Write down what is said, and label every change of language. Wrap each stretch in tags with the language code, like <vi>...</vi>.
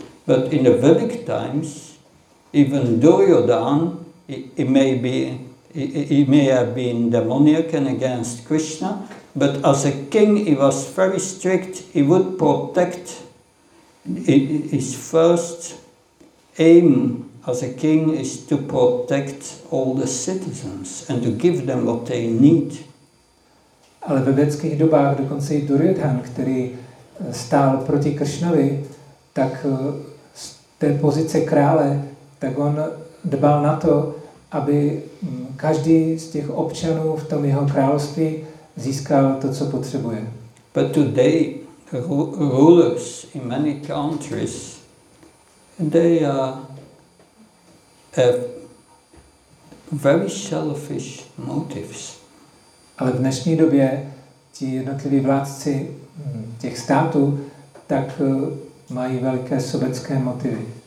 <en>But in the Vedic times, even Duryodhana, he may have been demoniac and against Krishna, but as a king he was very strict, he would protect. His first aim as a king is to protect all the citizens and to give them what they need.</en> <cs>Ale ve vědeckých dobách, dokonce i Duryodhan, který stál proti Kršnovi, tak z té pozice krále, tak on dbal na to, aby každý z těch občanů v tom jeho království získal to, co potřebuje.</cs> <en>But today, rulers in many countries, they have very selfish motives.</en> <cs>Ale v dnešní době ti jednotliví vládci těch států tak mají velké sobecké motivy.</cs>